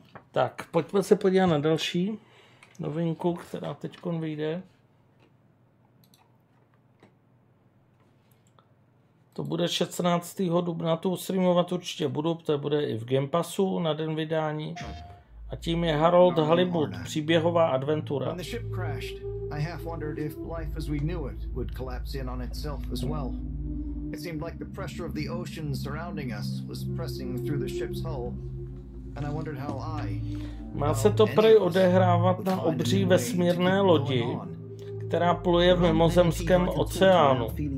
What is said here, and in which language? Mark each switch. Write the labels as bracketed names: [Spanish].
[Czech] Tak, pojďme se podívat na další novinku, která teďkon vyjde. To bude 16. dubna, tu streamovat určitě budu, to bude i v Game Passu na den vydání. A tím je Harold Halibut, příběhová adventura. [English] When the ship crashed, I half wondered if life as we knew it would collapse in on itself as well. It seemed like the pressure of the ocean surrounding us was pressing through the ship's hull. And I wondered how I. [Czech] Má se to prý odehrávat na obří vesmírné lodi, která pluje v mimozemském oceánu.